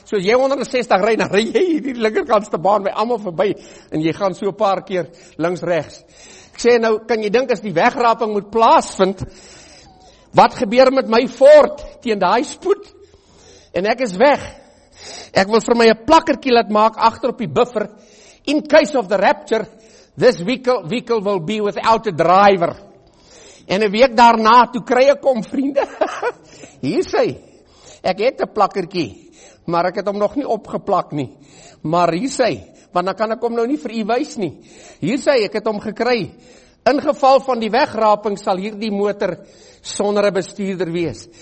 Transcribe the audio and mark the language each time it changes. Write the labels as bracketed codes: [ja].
[af] So as jy 160 ry, dan ry jy in die linkerkantste baan by almal verby en jy gaan so 'n paar keer links regs. Ek sê nou, kan jy dink as die wegraping moet plaasvind, wat gebeur met my Ford teen daai spoed? En ek is weg. Ek wil vir my 'n plakkertjie laat maak agter op die buffer. [en] In case of the rapture, this vehicle will be without a driver. [af] En 'n week daarna, toe kry ek hom, vriende. Hier sê, ek het 'n plakkertjie, maar ek het hom nog nie opgeplak nie. Maar hier sê, want dan kan ek hom nou nie vir u wys nie. Hier sê, ek het hom gekry. In geval van die wegraping sal hierdie motor sonder 'n bestuurder wees.